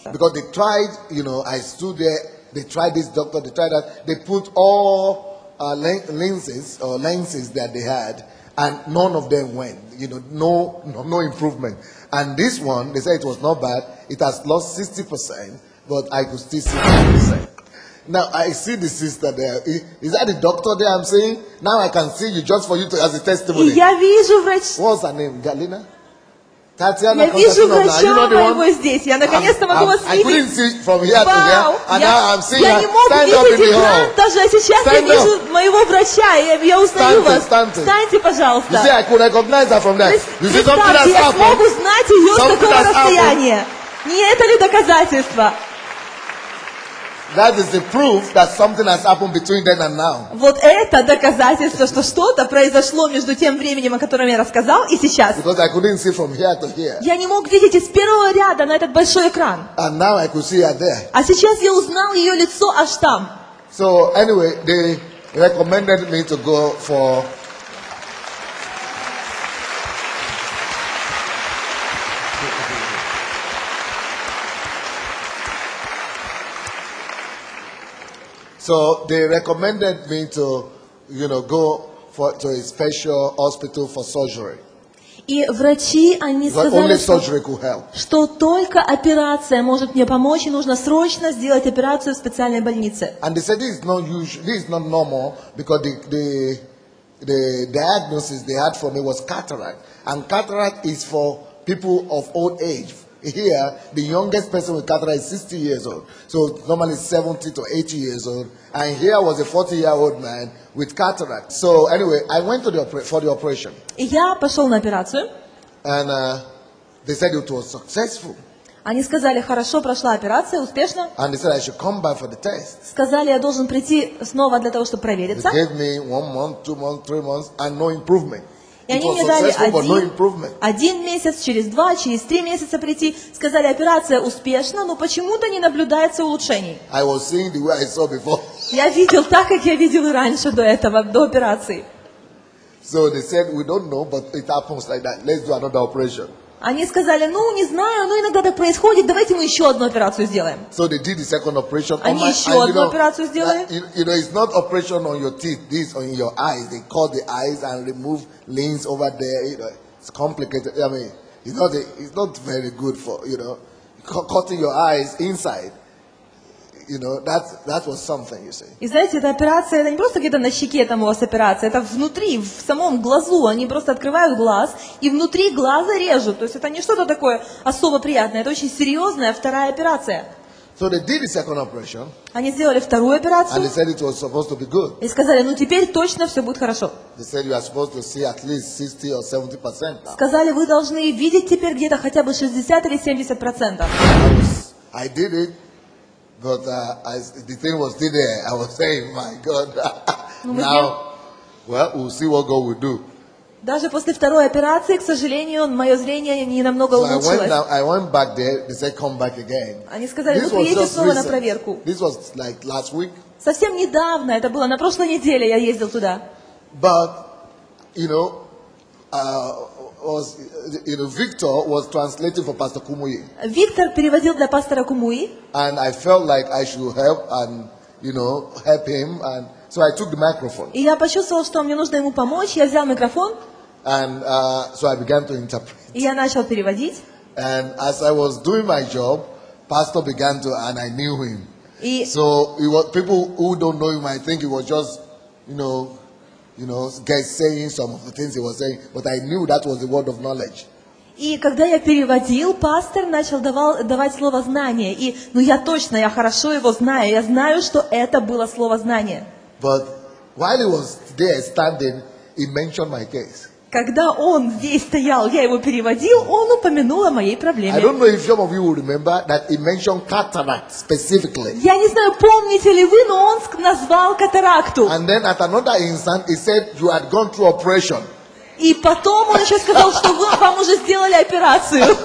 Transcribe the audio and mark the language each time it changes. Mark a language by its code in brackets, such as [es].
[en] Because they tried, you know, I stood there, they tried this doctor, they tried that, they put all lenses that they had, and none of them went, you know, no improvement. And this one, they said it was not bad, it has lost 60%, but I could still see 5%. Now, I see the sister there. Is that the doctor there I'm seeing? Now I can see you just for you to as a testimony. [ru] Я вижу врач. [en] What's her name? Galina? [ru] Татьяна, я вижу врача моего здесь. Я наконец-то могу вас видеть. Я не мог видеть экран даже, а сейчас я вижу моего врача. Я узнаю вас. Встаньте, пожалуйста. Я смог узнать ее с такого расстояния. Не это ли доказательство? [en] That is the proof that something has happened between then and now. [ru] Вот это доказательство, что что-то произошло между тем временем, о котором я рассказал, и сейчас. [en] Because I couldn't see from here to here. [ru] Я не мог видеть из первого ряда на этот большой экран. [en] And now I could see her there. [ru] А сейчас я узнал ее лицо аж там. [en] So anyway, they recommended me to go for. So they recommended me to, you know, go for to a special hospital for surgery. [ru] И врачи, они сказали, что только операция может мне помочь, и нужно срочно сделать операцию в специальной больнице. [en] And they said this is not usual, this is not normal, because the diagnosis they had for me was cataract, and cataract is for people of old age. Here, the youngest person with cataract is 60 years old. So normally 70 to 80 years old. And here was a 40-year-old man with cataract. So anyway, I went to the for the operation. [ru] Я пошел на операцию. [en] And they said it was successful. [ru] Они сказали, хорошо прошла операция, успешно. [en] And they said I should come back for the test. [ru] Сказали, я должен прийти снова для того, чтобы провериться. [en] They gave me 1 month, 2 months, 3 months, and no improvement. [ru] И они мне дали один месяц, через два, через три месяца прийти. Сказали, операция успешна, но почему-то не наблюдается улучшений. [en] I was seeing the way I saw before. [ru] Я видел так, как я видел и раньше до этого, до операции. [en] So they said, we don't know, but it happens like that. Let's do another operation. [ru] Они сказали, ну, не знаю, но иногда так происходит, давайте мы еще одну операцию сделаем. [en] So they did the second operation. [ru] Они еще одну операцию сделали. [en] You know, it's not operation on your teeth, this on your eyes. They cut the eyes and remove lens over there, you know, it's complicated. I mean, it's not very good for, you know, cutting your eyes inside. You know, that was something, you see. [ru] И знаете, эта операция, это не просто где-то на щеке там у вас операция, это внутри, в самом глазу, они просто открывают глаз и внутри глаза режут. То есть это не что-то такое особо приятное, это очень серьезная вторая операция. [en] So they did the second operation. [ru] Они сделали вторую операцию. [en] And they said it was supposed to be good. [ru] И сказали, ну теперь точно все будет хорошо. [en] They said you are supposed to see at least 60 or 70%. [ru] Сказали, вы должны видеть теперь где-то хотя бы 60 или 70%. [en] I did it. But the thing was still there. I was saying, my God, now, well, we'll see what God will do. [ru] Даже после второй операции, к сожалению, мое зрение не намного улучшилось. [en] I went back there. They said, come back again. [ru] Они сказали, вы приедете снова на проверку. [en] This was like last week. [ru] Совсем недавно это было. На прошлой неделе я ездил туда. [en] But, you know, Victor was translating for Pastor Kumuyi. [ru] Виктор переводил для пастора Кумуи. [en] And I felt like I should help and, you know, help him. And so I took the microphone. [ru] И я почувствовал, что мне нужно ему помочь. Я взял микрофон. [en] And so I began to interpret. [ru] И я начал переводить. [en] And as I was doing my job, Pastor began to, and I knew him. [ru] И... [en] So it was, people who don't know him, I think it was just, you know. You know, guys saying some of the things he was saying, but I knew that was the word of knowledge. [ru] И когда я переводил, пастор начал давать слово знания. И, ну, я точно, я хорошо его знаю. Я знаю, что это было слово знания. [en] But while he was there standing, he mentioned my case. [ru] Когда он здесь стоял, я его переводил, он упомянул о моей проблеме. [en] I don't know if some of you will remember that he mentioned cataract specifically. [ru] Я не знаю, помните ли вы, но он назвал катаракту. [en] And then at another instant, he said you had gone through operation. [ru] И потом он еще сказал, что вам уже сделали операцию.